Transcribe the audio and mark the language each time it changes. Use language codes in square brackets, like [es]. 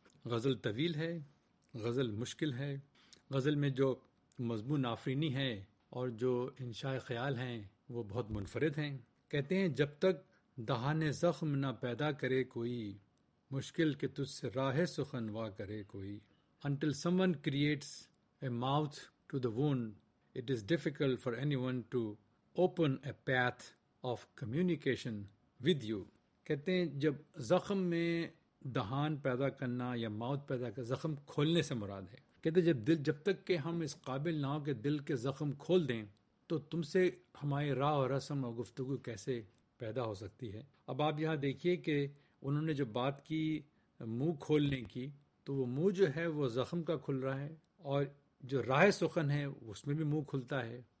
[ur] غزل طویل ہے, غزل مشکل ہے, غزل میں جو مضمون آفرینی ہے اور جو انشاء خیال ہیں وہ بہت منفرد ہیں. کہتے ہیں, جب تک دہانے زخم نہ پیدا کرے کوئی, مشکل کہ تجھ سے راہ سخن وا کرے کوئی. [en] Until someone creates a mouth to the wound, it is difficult for anyone to open a path of communication with you. [ur] کہتے ہیں, جب زخم میں دہان پیدا کرنا یا ماؤتھ پیدا کرنا, زخم کھولنے سے مراد ہے. کہتے ہیں, جب تک کہ ہم اس قابل نہ ہو کہ دل کے زخم کھول دیں, تو تم سے ہماری راہ اور رسم اور گفتگو کیسے پیدا ہو سکتی ہے. اب آپ یہاں دیکھیے کہ انہوں نے جو بات کی منہ کھولنے کی, تو وہ منہ جو ہے وہ زخم کا کھل رہا ہے, اور جو راہ سخن ہے اس میں بھی منہ کھلتا ہے.